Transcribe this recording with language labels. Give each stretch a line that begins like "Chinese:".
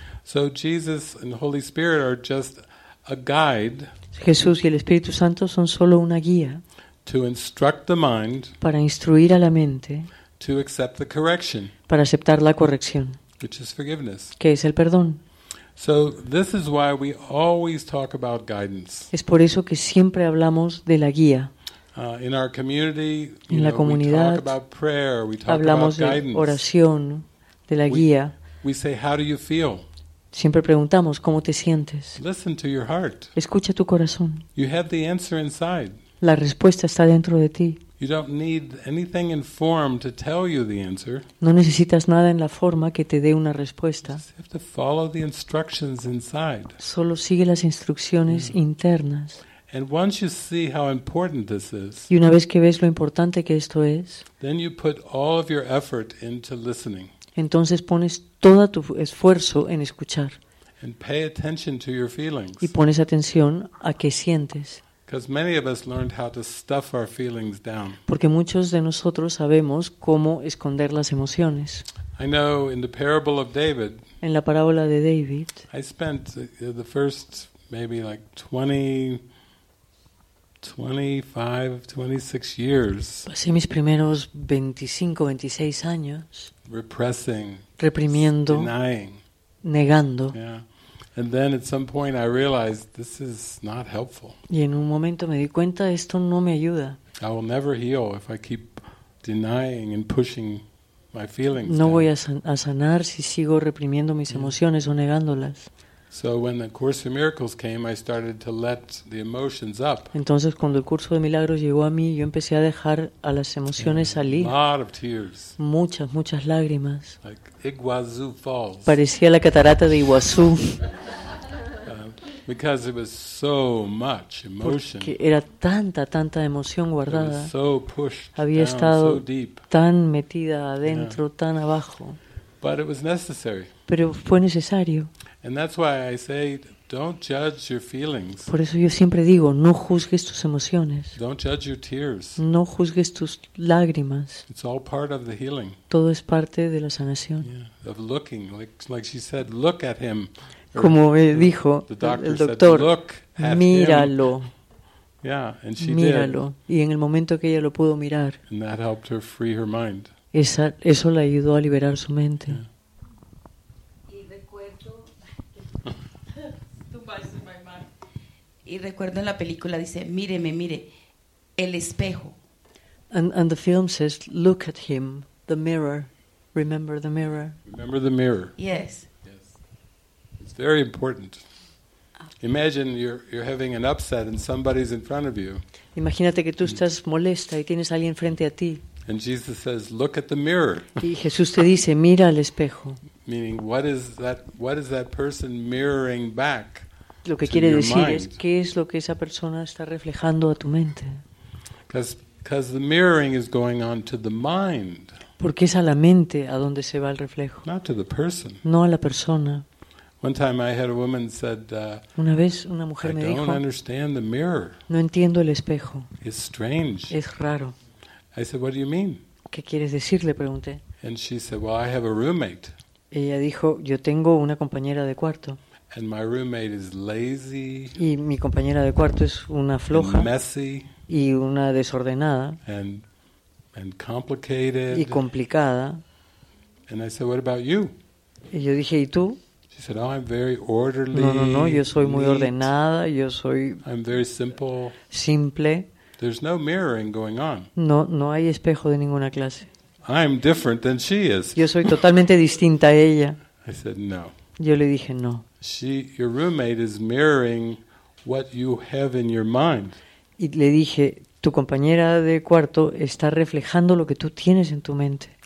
English: So Jesus and the Holy Spirit are just a guide.
Spanish: Jesús y el Espíritu Santo son solo una guía.
English: To instruct the mind.
Spanish: Para instruir a la mente.
English: To accept the correction.
Spanish: Para aceptar la corrección.
English: Which is forgiveness.
Spanish: Que es el perdón.
English: So this is why we always talk about guidance.
Spanish: Es por eso que siempre hablamos de la guía.
English: In our community,
Spanish: en la comunidad,
English: we talk about prayer, we talk
Spanish: hablamos
English: about guidance.
Spanish: De oración, de la guía.
English: We say, how do you feel?
Spanish: Siempre preguntamos, ¿cómo te sientes?
English: Listen to your heart.
Spanish: Escucha tu corazón.
English: You have the answer inside.
Spanish: La respuesta está dentro de ti.
English: You don't need anything in form to tell you the answer.
Spanish: No necesitas nada en la forma que te dé una respuesta.
English: You just have to follow the instructions inside.
Spanish: Solo sigue las instrucciones internas.
English: And once you see how important this is,
Spanish: y una vez que ves lo importante que esto es,
English: then you put all of your effort into listening.
Spanish: Entonces pones todo tu esfuerzo en escuchar.
English: And pay attention to your feelings.
Spanish: Y pones atención a qué sientes.
English: Because many of us learned how to stuff our feelings down.
Spanish: Porque muchos de nosotros sabemos cómo esconder las emociones.
English: I know in the parable of David.
Spanish: En la parábola de David.
English: I spent the first maybe like 20, 25, 26 years.
Spanish: Pasé mis primeros 25, 26 años.
English: Repressing.
Spanish: Reprimiendo.
English: Denying.
Spanish: Negando.
English: Yeah. And then at some point I realized this is not helpful.
Spanish: Y en un momento me di cuenta esto no me ayuda.
English: I will never heal if I keep denying and pushing my feelings.
Spanish: No voy a sanar si sigo reprimiendo mis emociones o negándolas.
English: So when the Course in Miracles came, I started to let the emotions up.
Spanish: Entonces cuando el curso de milagros llegó a mí, yo empecé a dejar a las emociones salir.
English: A lot of tears.
Spanish: Muchas, muchas lágrimas.
English: Like Iguazu Falls.
Spanish: Parecía la catarata de Iguazú.
English: Because it was so much emotion.
Spanish: Porque era tanta, tanta emoción guardada.
English: It was so pushed down,
Spanish: había estado
English: so deep.
Spanish: Tan metida adentro, tan abajo.
English: But it was necessary.
Spanish: Pero fue necesario.
English: And that's why I say, don't judge your feelings.
Spanish: Por eso yo siempre digo, no juzgues tus emociones.
English: Don't judge your tears.
Spanish: No juzgues tus lágrimas.
English: It's all part of the healing.
Spanish: Todo es parte de la sanación.
English: Yeah. Of looking, like she said, look at him.
Spanish: Como dijo el doctor, míralo.
English: Yeah, and she
Spanish: míralo.
English: Did.
Spanish: Y en el momento que ella lo pudo mirar,
English: and that helped her free her mind.
Spanish: Eso la ayudó a liberar su mente. Yeah. Y recuerdo en la película dice, míreme, mire, el espejo.
English: And the film says, look at him, the mirror, remember the mirror. Remember the mirror. Yes. Yes. It's very important. Imagine you're having an upset and somebody's in front of you.
Spanish: Imagínate que tú estás molesta y tienes a alguien frente a ti.
English: And Jesus says, look at the mirror.
Spanish: Y Jesús te dice, mira al espejo.
English: Meaning, what is that person mirroring back?
Spanish: Lo que quiere decir es qué es lo que esa persona está reflejando a tu mente.
English: Because the mirroring is going on to the mind.
Spanish: Porque es a la mente a donde se va el reflejo.
English: Not to the person.
Spanish: No a la persona.
English: One time I had a woman said.
Spanish: Una vez una mujer me dijo.
English: I don't understand the mirror.
Spanish: No entiendo el espejo.
English: It's strange.
Spanish: Es raro.
English: I said, what do you mean?
Spanish: ¿Qué quieres decir? Le pregunté.
English: And she said, well, I have a roommate.
Spanish: Ella dijo, yo tengo una compañera de cuarto.
English: And my roommate is lazy.
Spanish: Y mi compañera de cuarto es una floja.
English: Messy.
Spanish: Y una desordenada.
English: And complicated.
Spanish: Y complicada.
English: And I said, what about you?
Spanish: Y yo dije, ¿y tú?
English: She said, oh, I'm very orderly.
Spanish: No, no, no, yo soy muy ordenada, yo soy
English: I'm very simple.
Spanish: Simple.
English: There's no mirroring going on.
Spanish: No, no hay espejo de ninguna clase.
English: I'm different than she is.
Spanish: Yo soy totalmente distinta a ella.
English: I said no.
Spanish: Yo le dije no.
English: Your roommate is mirroring what you have in your mind.
Spanish: Y le dije, tu compañera de cuarto está reflejando lo que tú tienes en tu mente.